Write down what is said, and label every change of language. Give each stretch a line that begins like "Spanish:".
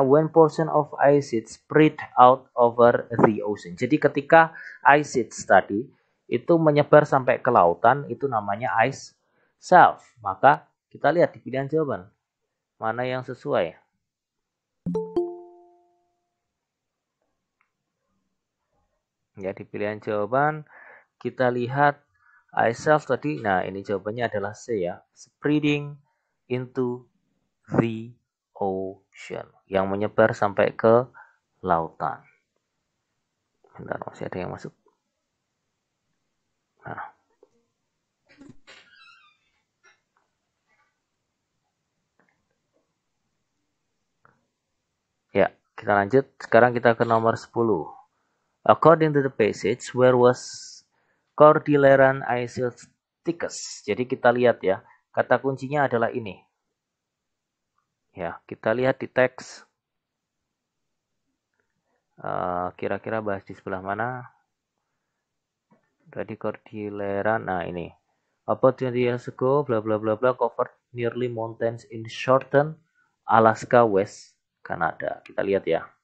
English: When portion of ice sheets spread out over the ocean.
Indonesian: Jadi ketika
English: ice sheets
Indonesian: tadi itu menyebar sampai ke lautan, itu namanya Icef. Maka kita lihat di pilihan jawaban mana yang sesuai. Ya, di pilihan jawaban kita lihat itself tadi. Nah, ini jawabannya adalah C ya.
English: Spreading into the ocean.
Indonesian: Yang menyebar sampai ke lautan. Bentar, masih ada yang masuk. Nah. Ya, kita lanjut. Sekarang kita ke nomor 10.
English: According to the passage, where was Cordillera ice thickest?
Indonesian: Jadi kita lihat ya, kata kuncinya adalah ini. Ya, kita lihat di teks. Kira-kira bahas di sebelah mana? Tadi Cordillera, nah ini.
English: About 20 years ago, bla bla bla bla, covered nearly mountains in Shorten, Alaska, West Canada.
Indonesian: Kita lihat ya.